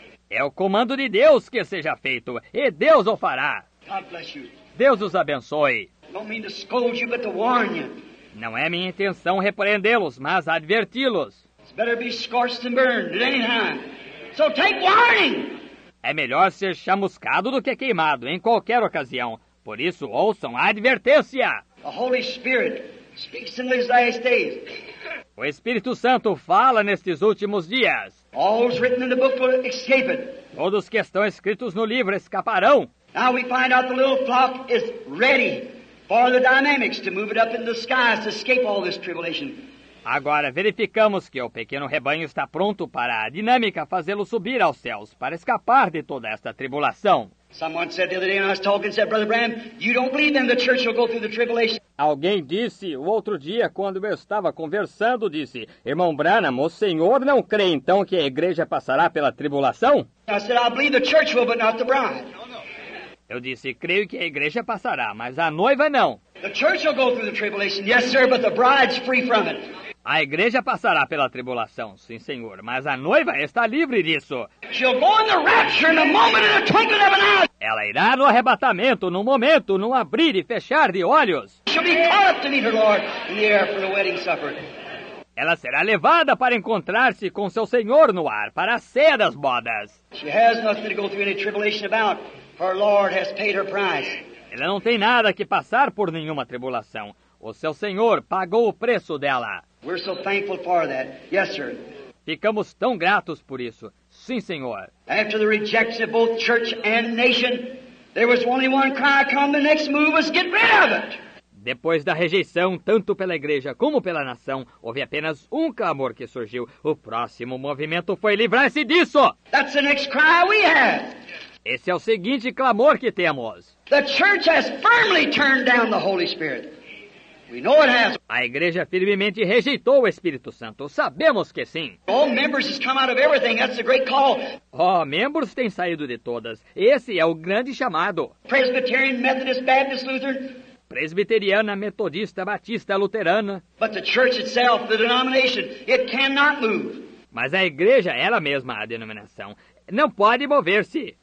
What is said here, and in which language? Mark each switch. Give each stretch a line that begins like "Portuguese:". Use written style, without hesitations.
Portuguese: É o comando de Deus que seja feito, e Deus o fará.
English: God bless you.
Portuguese: Deus os abençoe.
English: Don't mean to scold you, but to warn you.
Portuguese: Não é minha intenção repreendê-los, mas adverti-los.
English: It's better be scorched than burned at any time. So take warning.
Portuguese: É melhor ser chamuscado do que queimado em qualquer ocasião. Por isso, ouçam a advertência.
English: The Holy Spirit speaks in these last days.
Portuguese: O Espírito Santo fala nestes últimos dias.
English: All's written in the book will escape it.
Portuguese: Todos que estão escritos no livro escaparão.
English: Now we find out the little flock is ready for the dynamics to move it up in the skies to escape all this tribulation.
Portuguese: Agora verificamos que o pequeno rebanho está pronto para a dinâmica fazê-lo subir aos céus para escapar de toda esta tribulação.
English: Someone said the other day when I was talking, said, Brother Bram, you don't believe then the church will go through the tribulation.
Portuguese: Alguém disse o outro dia quando eu estava conversando, disse, Irmão Branham, o senhor não crê então que a igreja passará pela tribulação?
English: I said, I believe the church will, but not the bride.
Portuguese: Eu disse, creio que a igreja passará, mas a noiva não.
English: The church will go through the tribulation, yes, sir, but the bride's free from it.
Portuguese: A igreja passará pela tribulação, sim, senhor, mas a noiva está livre disso.
English: She'll go in the rapture in a moment, in a twinkling of an eye.
Portuguese: Ela irá no arrebatamento, num momento, num abrir e fechar de olhos.
English: She'll be caught up to meet her Lord in the air for the wedding supper.
Portuguese: Ela será levada para encontrar-se com seu senhor no ar, para a ceia das bodas.
English: She has nothing to go through any tribulation about. Her Lord has paid her price.
Portuguese: Ela não tem nada que passar por nenhuma tribulação. O seu Senhor pagou o preço dela.
English: We're so thankful for that. Yes, sir.
Portuguese: Ficamos tão gratos por isso. Sim, Senhor.
English: After the rejection of both church and nation, there was only one cry, come the next move us, get rid of it.
Portuguese: Depois da rejeição, tanto pela igreja como pela nação, houve apenas um clamor que surgiu. O próximo movimento foi livrar-se disso.
English: That's the next cry we have.
Portuguese: Esse é o seguinte clamor que temos.
English: The church has firmly turned down the Holy Spirit. We know it has.
Portuguese: A igreja firmemente rejeitou o Espírito Santo. Sabemos que sim.
English: All members have come out of everything. That's a great call.
Portuguese: Oh, membros têm saído de todas. Esse é o grande chamado.
English: Presbyterian, Methodist, Baptist, Lutheran.
Portuguese: Presbiteriana, metodista, batista, luterana.
English: But the church itself, the denomination, it cannot move.
Portuguese: Mas a igreja, ela mesma, a denominação, não pode mover-se.